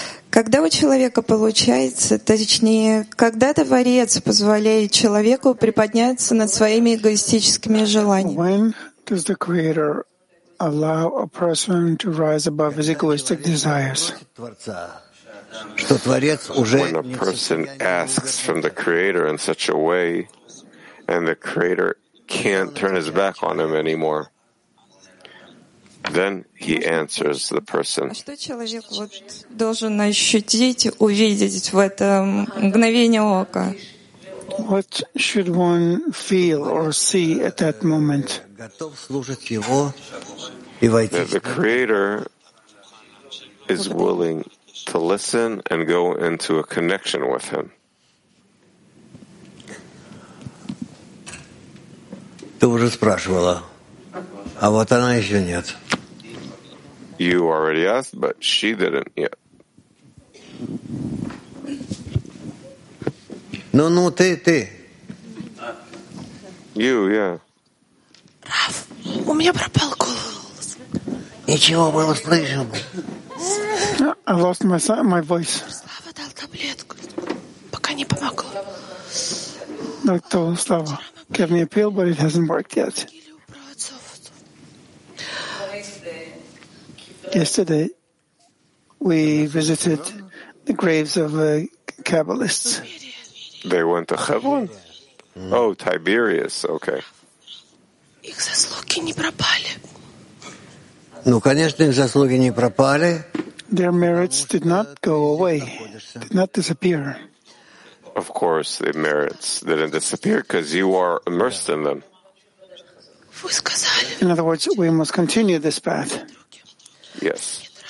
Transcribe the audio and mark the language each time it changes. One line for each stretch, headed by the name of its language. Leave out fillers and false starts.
Russian: Когда у человека получается, точнее, когда Творец позволяет человеку приподняться над своими эгоистическими желаниями?
English: When does the Creator allow a person to rise above his egoistic desires? When a person asks from the Creator in such a way, and the Creator can't turn his back on him anymore, Then he answers the person.
Russian: Что человек вот должен ощутить, увидеть в этом мгновение ока?
English: What should one feel or see at that moment?
Russian: Готов служить его и войти.
English: The Creator is willing to listen and go into a connection with him.
Russian: Ты уже спрашивала, а вот она еще нет.
English: You already asked, but she didn't yet.
Russian: Ну-ну, ты.
English: You, yeah.
Russian: Раф, у меня пропал голос. Ничего, мы услышим.
English: I lost my voice.
Russian: Слава дал таблетку, пока не помогло. Ну, то
English: Слава gave me a pill, but it hasn't worked yet. Yesterday, we visited the graves of Kabbalists. They went to Hebron? Mm. Oh, Tiberius, okay.
Russian: Их заслуги не пропали. Ну, конечно, их заслуги не пропали.
English: Their merits did not go away, did not disappear. Of course, the merits didn't disappear because you are immersed in them. In other words, we must continue this path. Yes.